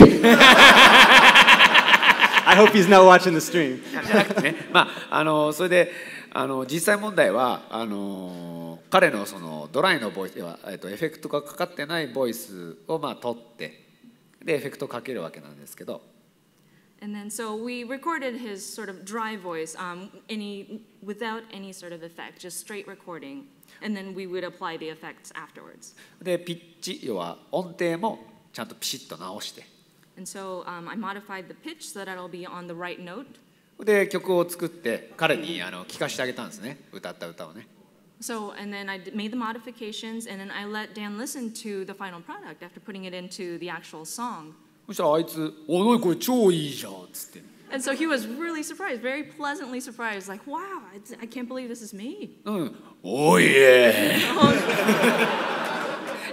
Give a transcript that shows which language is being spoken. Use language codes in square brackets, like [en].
[en] Yeah. I hope he's not watching the stream. [ja] まあそれで実際問題は彼のそのドライのボイスは、エフェクトがかかってないボイスをまあ取ってでエフェクトをかけるわけなんですけど。 [en] And then so we recorded his sort of dry voice, without any sort of effect, just straight recording, and then we would apply the effects afterwards. [ja] でピッチ要は音程もちゃんとピシッと直して。 [en] And so I modified the pitch so that it'll be on the right note. [ja] で曲を作って彼に聞かせてあげたんですね、歌った歌をね。 [en] So, and then I made the modifications, and then I let Dan listen to the final product after putting it into the actual song. And so he was really surprised, very pleasantly surprised, like, wow, I can't believe this is me. Oh, yeah.